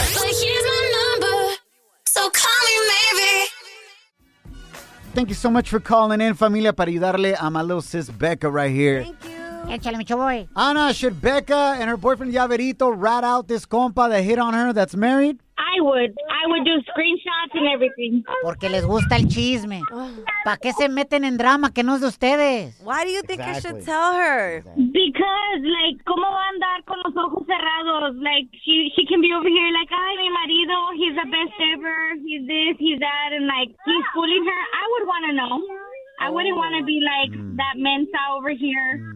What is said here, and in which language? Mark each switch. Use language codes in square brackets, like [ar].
[en] But here's my number, so call me maybe. Thank you so much for calling in, familia, [es] para ayudarle a [en] my little sis, Becca, right here. Thank you. [es] Échale, mucho boy. [en] Ana, should Becca and her boyfriend, Yaverito, rat out this compa that hit on her that's married? I would do screenshots and everything. [es] Porque les gusta el chisme. ¿Para qué se meten en drama que no es de ustedes? [en] Why do you think exactly. I should tell her? Because, like, [es] ¿cómo va a andar con los ojos cerrados? [en] Like, she can be over here like, [es] ay, mi marido, [en] he's the best ever. He's this, he's that. And, like, he's fooling her. I would want to know. I wouldn't want to be like that mensa over here.